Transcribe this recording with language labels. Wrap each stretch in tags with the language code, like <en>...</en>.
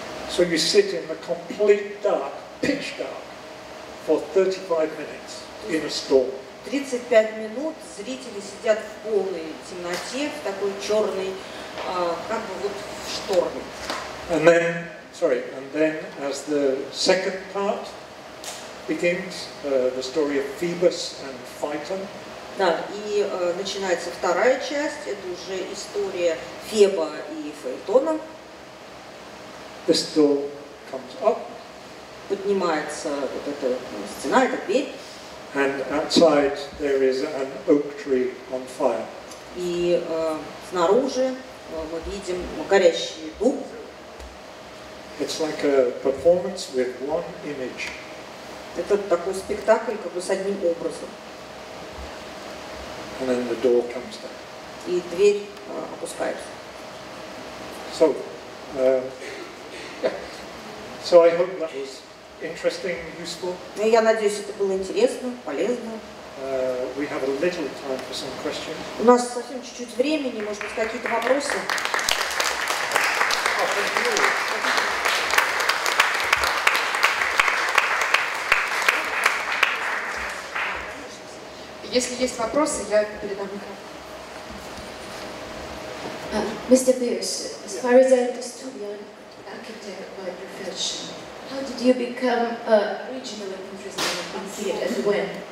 <en>So you sit in the complete dark, pitch dark, for 35 minutes in a storm.</en> <ru>35 минут зрители сидят в полной темноте, в такой черной, как бы вот в шторме.</ru> <en>And then as the second part begins, the story of Phoebus and Phaeton.</en> <ru>Да, и начинается вторая часть, это уже история Феба и Фаэтона.</ru> <en>The storm comes up.</en> <ru>Поднимается вот эта стена, эта дверь.</ru> <en>And outside there is an oak tree on fire.</en> <ru>И снаружи мы видим горящий дуб.</ru> <en>It's like a performance with one image.</en> <ru>Это такой спектакль как бы с одним образом.</ru> <en>And then the door comes down.</en> <ru>И дверь опускается.</ru> <en>So I hope that was interesting and useful.</en> <ru>Я надеюсь, это было интересно, полезно.</ru> <en>We have a little time for some questions.</en> <ru>У нас совсем чуть-чуть времени, может быть, какие-то вопросы? Если есть вопросы, я передам микрофон.</ru> <en>Mr. Pierce, as far as I understood, you're an architect by profession. How did you become regionally interested in theatre and when?</en>